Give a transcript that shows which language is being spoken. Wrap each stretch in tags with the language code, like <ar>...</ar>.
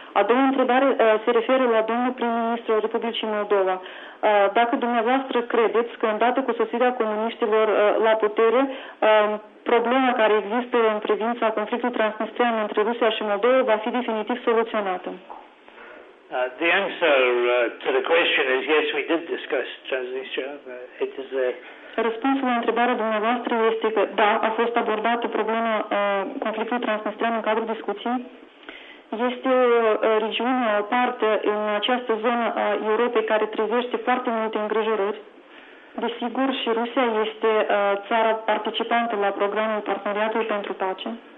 <ro>A doua întrebare se referă la domnul prim-ministru al Republicii Moldova. Dacă dumneavoastră credeți că îndată cu sosirea comuniștilor la putere, problema care există în privința conflictului transnistrian între Rusia și Moldova va fi definitiv soluționată?</ro> <en>The answer to the question is yes, we did discuss Transnistria. It is a...</en> <ro>Răspunsul la întrebarea dumneavoastră este că da, a fost abordată problema conflictului transnistrian în cadrul discuției. Este o regiune, o parte în această zonă a Europei care trezește foarte multe îngrijorări. Desigur, și Rusia este țara participantă la programul Parteneriatului pentru Pace.</ro>